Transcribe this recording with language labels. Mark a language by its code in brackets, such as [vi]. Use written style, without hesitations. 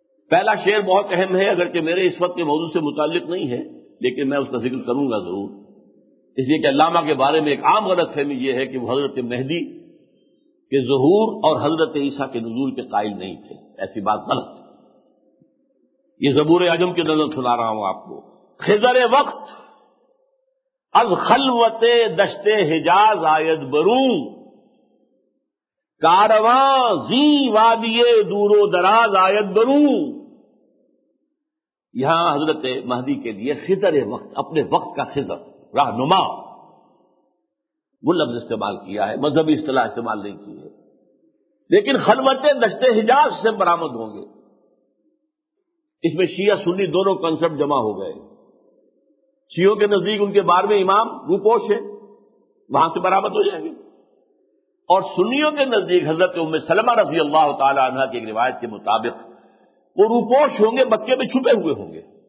[ur] پہلا شعر بہت اہم ہے، اگرچہ میرے اس وقت کے موضوع سے متعلق نہیں ہے، لیکن میں اس کا ذکر کروں گا ضرور، اس لیے کہ علامہ کے بارے میں ایک عام غلط فہمی یہ ہے کہ وہ حضرت مہدی کے ظہور اور حضرت عیسیٰ کے نزول کے قائل نہیں تھے. ایسی بات غلط ہے. یہ زبور اعظم کی نظر سنا رہا ہوں آپ کو. [fa] خضر وقت از خلوت دشت حجاز آید برو، کارواں زی وادی دور و دراز آید برو. [ur] یہاں حضرت مہدی کے لیے خضر وقت، اپنے وقت کا خضر، رہنما، وہ لفظ استعمال کیا ہے، مذہبی اصطلاح استعمال نہیں کی ہے، لیکن خلوت دشت حجاز سے برآمد ہوں گے. اس میں شیعہ سنی دونوں کنسرٹ جمع ہو گئے. شیعوں کے نزدیک ان کے بارہویں امام روپوش ہے، وہاں سے برآمد ہو جائیں گے، اور سنیوں کے نزدیک حضرت ام سلمہ رضی اللہ تعالی عنہ کی ایک روایت کے مطابق وہ روپوش ہوں گے، مکے میں چھپے ہوئے ہوں گے.